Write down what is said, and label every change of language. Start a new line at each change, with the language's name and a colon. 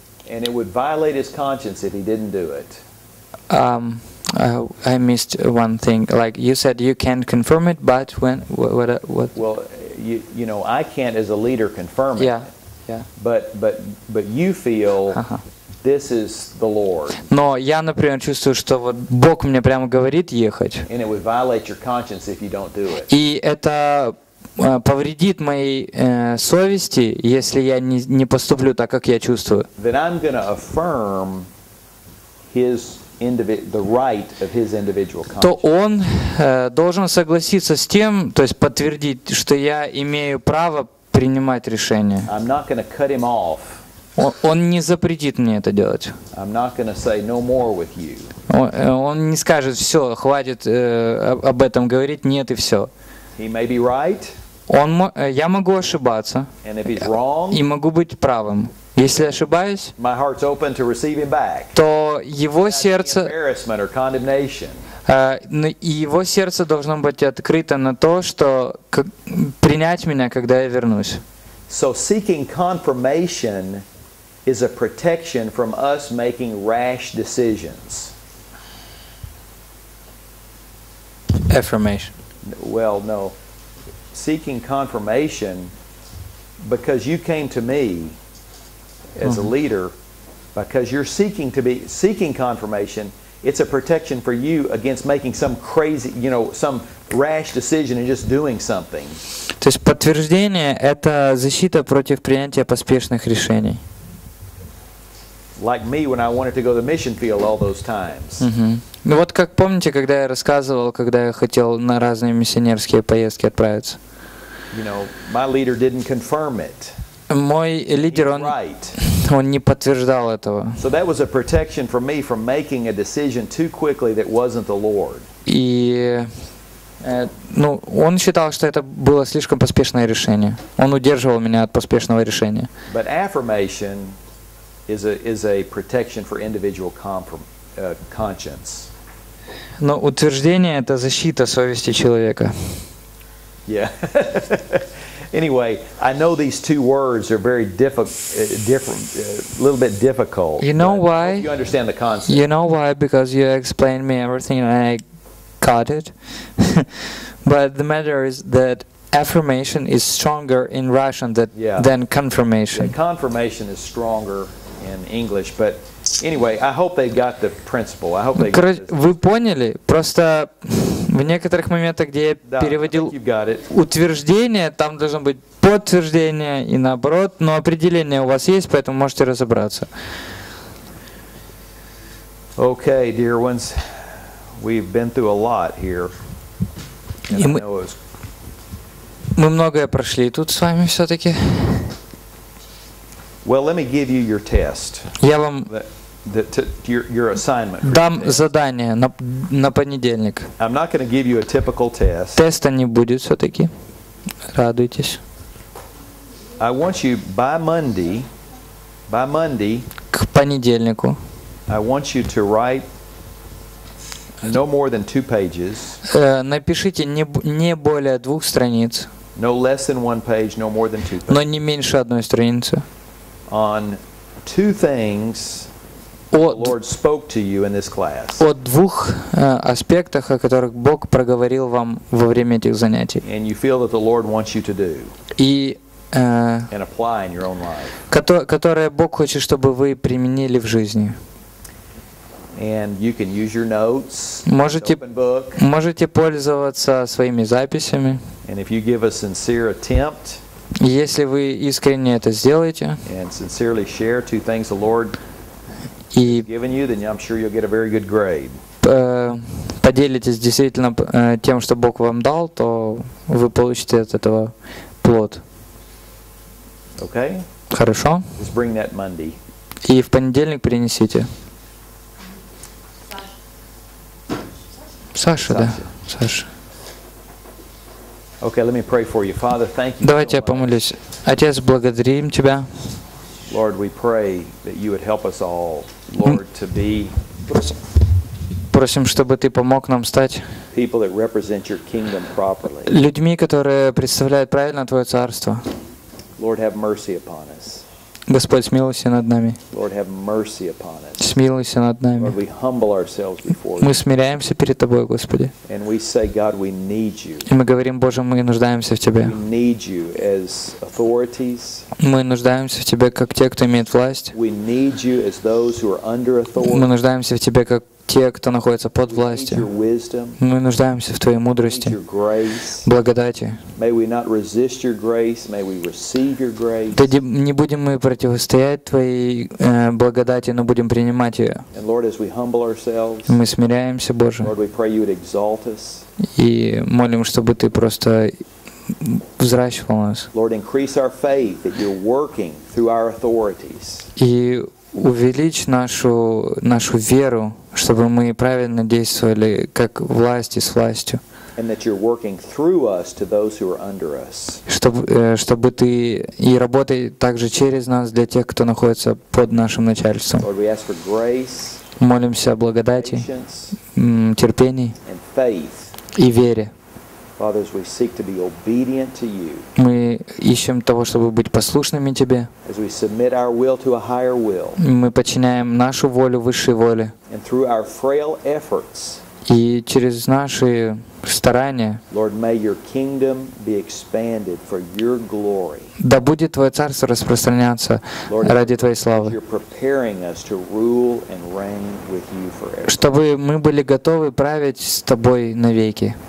English: and it would violate his conscience if he didn't do it. I missed one thing. Like you said, you can't confirm it, but when what? Well, you know, I can't as a leader confirm it. Yeah. But you feel. This is the Lord.
Russian: Но я, например, чувствую, что вот Бог мне прямо говорит ехать.
English: And it would violate your conscience if you don't do it.
Russian: И это повредит моей совести, если я не поступлю так, как я чувствую.
English: Then I'm going to affirm the right of his individual conscience.
Russian: То он должен согласиться с тем, то есть подтвердить, что я имею право принимать решение.
English: I'm not going to cut him off.
Russian: Он не запретит мне это делать.
English: I'm not gonna say no more with you.
Russian: Он не скажет: все, хватит об этом говорить, нет и все.
English: He may be right.
Russian: Я могу ошибаться.
English: And if he's wrong,
Russian: и могу быть правым. Если ошибаюсь,
English: my heart's open to receive him back.
Russian: То его сердце,
English: embarrassment or condemnation.
Russian: Его сердце должно быть открыто на то, что принять меня, когда я вернусь.
English: So seeking confirmation is a protection from us making rash decisions. Affirmation. Well, no. Seeking confirmation, because you came to me as a leader, because you're seeking confirmation, it's a protection for you against making some crazy, you know, some rash decision and just doing something.
Russian: То есть подтверждение — это защита против принятия поспешных решений.
English: Like me when I wanted to go to the mission field all those times.
Russian: Ну вот как помните, когда я рассказывал, когда я хотел на разные миссионерские поездки отправиться.
English: You know, my leader didn't confirm it.
Russian: Мой лидер, он не подтверждал этого.
English: So that was a protection for me from making a decision too quickly that wasn't the Lord.
Russian: И ну, он считал, что это было слишком поспешное решение. Он удерживал меня от поспешного решения.
English: But affirmation is a protection for individual conscience.
Russian: Но утверждение — это защита совести человека.
English: Yeah. Anyway, I know these two words are very different, a little bit difficult. You know why? You understand the concept. You know why? Because you explained me everything and I got it. But the matter is that affirmation is stronger in Russian than confirmation. Yeah, confirmation is stronger in English, but anyway, I hope they got the principle. I hope they got it.
Russian: Вы поняли? Просто в некоторых моментах, где я переводил утверждение, там должно быть подтверждение и наоборот, но определение у вас есть, поэтому можете разобраться.
English: Okay, dear ones, we've been through a lot here.
Russian: И мы многое прошли тут с вами все-таки.
English: Well, let me give you your test.
Russian: Я вам
English: your assignment.
Russian: Дам задание на понедельник.
English: I'm not going to give you a typical test.
Russian: Теста не будет все-таки. Радуйтесь.
English: I want you by Monday.
Russian: К понедельнику.
English: I want you to write no more than 2 pages.
Russian: Напишите не более двух страниц.
English: No less than 1 page, no more than 2 pages.
Russian: Но не меньше одной страницы.
English: On 2 things. The Lord spoke to you in this class.
Russian: О двух аспектах, о которых Бог проговорил вам во время этих занятий.
English: And you feel that the Lord wants you to do.
Russian: И
English: and apply in your own life.
Russian: Которые Бог хочет, чтобы вы применили в жизни.
English: And you can use your notes.
Russian: Можете
English: open book.
Russian: Можете пользоваться своими записями.
English: And if you give a sincere attempt.
Russian: Если вы искренне это сделаете.
English: And sincerely share 2 things the Lord given you, then I'm sure you'll get a very good grade.
Russian: Поделитесь действительно тем, что Бог вам дал, то вы получите от этого плод.
English: Okay.
Russian: Хорошо.
English: Just bring that Monday.
Russian: И в понедельник принесите. Саша, да. Саша.
English: Okay, let me pray for you. Father, thank you.
Russian: Давайте я помолюсь. Отец, благодарим тебя.
English: Lord, we pray that you would help us all, Lord, to be.
Russian: Просим, чтобы ты помог нам стать
English: people that represent your kingdom properly.
Russian: Людьми, которые представляют правильно твое царство.
English: Lord, have mercy upon us.
Russian: Господь, смилуйся над нами.
English: Lord, have mercy upon us.
Russian: Смилуйся над нами.
English: Lord, we humble ourselves before you.
Russian: Мы смиряемся перед тобой, Господи.
English: And we say, God, we need you.
Russian: И мы говорим, Боже, мы нуждаемся в тебе.
English: We need you as authorities.
Russian: Мы нуждаемся в тебе как те, кто имеет власть.
English: We need you as those who are under authority.
Russian: Мы нуждаемся в тебе как те, кто находится под властью.
English: We need your wisdom.
Russian: Мы нуждаемся в твоей мудрости.
English: We need your grace.
Russian: Благодати.
English: May we not resist your grace. May we receive your grace.
Russian: Да не будем мы противостоять твоей благодати, но будем принимать ее.
English: And Lord, as we humble ourselves,
Russian: мы смиряемся, Боже.
English: Lord, we pray you would exalt us.
Russian: И молим, чтобы ты просто взращивал нас.
English: Lord, increase our faith that you're working through our authorities.
Russian: И увеличь нашу веру, чтобы мы правильно действовали как власть и с властью.
English: And that you're working through us to those who are under us.
Russian: Чтобы ты и работай также через нас для тех, кто находится под нашим начальством.
English: Lord, we ask for grace.
Russian: Молимся о благодати, терпении
English: and faith.
Russian: И вере.
English: Father, as we seek to be obedient to you,
Russian: мы ищем того, чтобы быть послушными Тебе.
English: As we submit our will to a higher will,
Russian: мы подчиняем нашу волю высшей воле.
English: And through our frail efforts,
Russian: и через наши старания,
English: Lord, may your kingdom be expanded for your glory.
Russian: Да будет Твое царство распространяться
English: Lord,
Russian: ради Твоей славы.
English: You're preparing us to rule and reign with you forever.
Russian: Чтобы мы были готовы править с Тобой навеки.